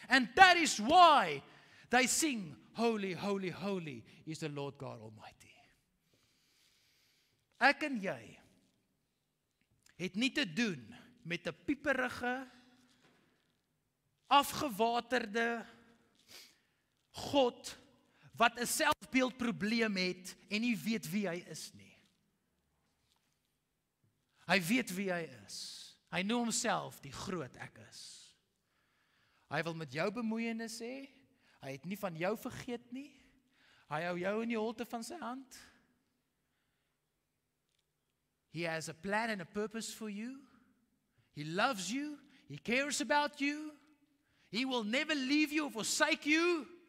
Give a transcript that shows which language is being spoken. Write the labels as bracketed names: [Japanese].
[English] And that is why they sing, Holy, holy, holy is the Lord God Almighty. [Afrikaans] Ek en jy het nie te doen met 'n pieperige, afgewaterde God wat 'n selfbeeldprobleem het en nie weet wie hy is nie. Hy weet wie hy is. Hy noem homself die groot ek is. Hy wil met jou bemoeienis hê. Hy het nie van jou vergeet nie. Hy hou jou in die holte van sy hand. [English] He has a plan and a purpose for you. He loves you. He cares about you. He will never leave you or forsake you.